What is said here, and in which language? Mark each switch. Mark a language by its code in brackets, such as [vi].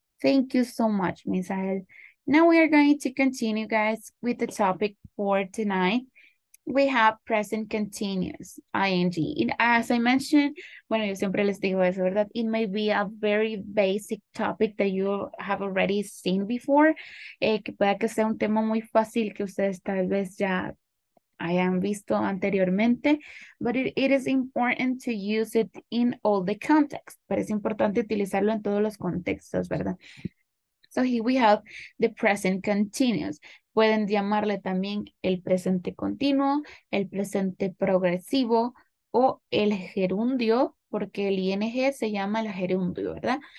[en] Thank you so much, Misael. Now we are going to continue, guys, with the topic for tonight. We have present continuous, ing. And as I mentioned, [es] bueno, yo siempre les digo eso, ¿verdad? [en] It may be a very basic topic that you have already seen before. [es] Que pueda que sea un tema muy fácil que ustedes tal vez ya hayan visto anteriormente. [en] But it is important to use it in all the contexts. [es] Pero es importante utilizarlo en todos los contextos, ¿verdad? [en] So here we have the present continuous. [es] Pueden llamarle también el presente continuo, el presente progresivo o el gerundio, porque el ing se llama el gerundio, ¿verdad?